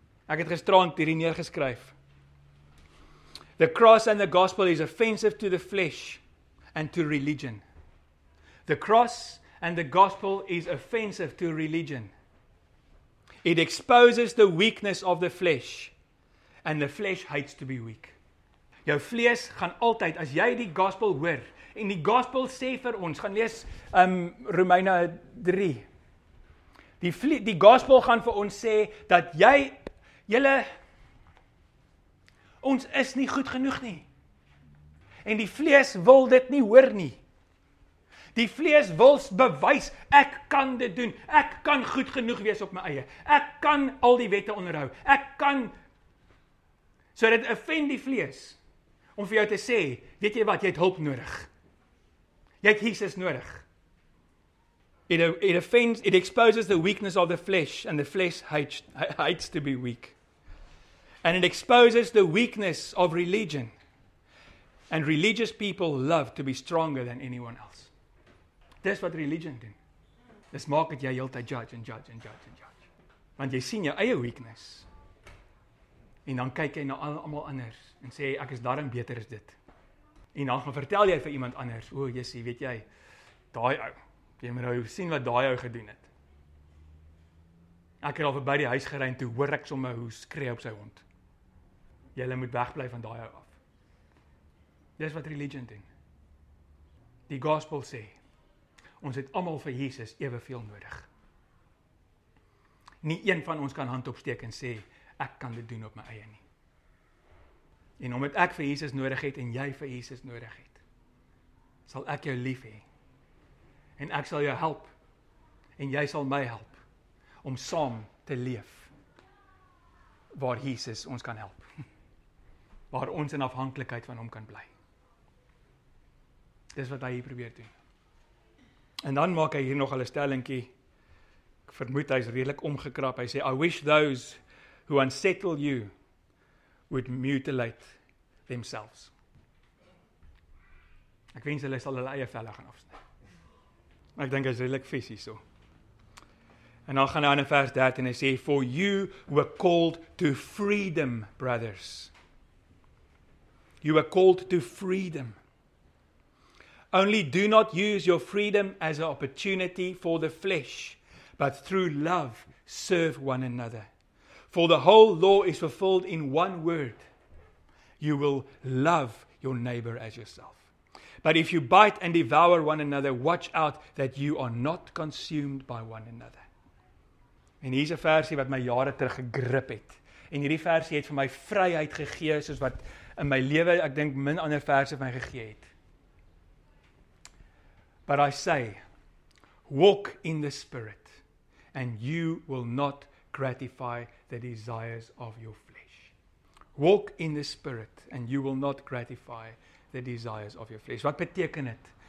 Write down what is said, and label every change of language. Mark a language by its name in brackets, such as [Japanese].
[Afrikaans] Ek het gisterand hierdie neergeskryf. [English] The cross and the gospel is offensive to the flesh and to religion. The cross and the gospel is offensive to religion. It exposes the weakness of the flesh. And the flesh hates to be weak. [Afrikaans] Jou vlees gaan altyd, as jy die gospel hoor, en die gospel sê vir ons, gaan lees Romeine 3. Die gospel gaan vir ons sê, dat julle, ons is nie goed genoeg nie. En die vlees wil dit nie hoor nie. Die vlees wil bewys, ek kan dit doen. Ek kan goed genoeg wees op my eie. Ek kan al die wette onderhou. Ek kan, so dit offend die vlees, om vir jou te sê, weet jy wat, jy het hulp nodig. Jy het Jesus nodig. [English] It exposes the weakness of the flesh, and the flesh hates to be weak. And it exposes the weakness of religion. And religious people love to be stronger than anyone else. [Afrikaans] Dis wat religion doen. Dis maak dat jy heeltyd judge. Want jy sien jou eie weakness. En dan kyk jy na almal anders en sê, ek is daarom beter as dit. En dan gaan vertel jy vir iemand anders, o, Jesus, weet jy, daai ou, jy moet nou sien wat daai ou gedoen het. Ek het al verby die huis gery en toe hoor ek sommer hoe skree op sy hond. Julle moet wegbly van daai ou af. Dis wat religion doen. Die gospel sê, ons het almal vir Jesus eweveel nodig. Nie een van ons kan hand opsteek en sê, ek kan dit doen op my eie nie. En omdat ek vir Jesus nodig het en jy vir Jesus nodig het, sal ek jou lief hê. En ek sal jou help. En jy sal my help om saam te leef waar Jesus ons kan help. Waar ons in afhanklikheid van hom kan bly. Dis wat hy hier probeer doen. En dan maak hy hier nog 'n stellingkie. Ek vermoed hy is redelik omgekrap. Hy sê, [English] I wish those who unsettle you would mutilate themselves. [Afrikaans] Ek wens hulle sal hulle eie velle gaan afsny. Ek dink hy is redelik vies hierso. En dan gaan hy aan in vers 13 en hy sê, [English] for you were called to freedom, [Afrikaans] brothers. You were called to freedom. [English] Only do not use your freedom as an opportunity for the flesh, but through love serve one another. For the whole law is fulfilled in one word. You will love your neighbor as yourself. But if you bite and devour one another, watch out that you are not consumed by one another. [Afrikaans] En hier is 'n versie wat my jare terug gegrip het. En hierdie versie het vir my vryheid gegee, soos wat in my lewe, ek dink, min ander verse vir my gegee het. [English] But I say, walk in the Spirit, and you will not gratify the desires of your flesh. Walk in the Spirit, and you will not gratify the desires of your flesh. [Afrikaans] Wat beteken dit?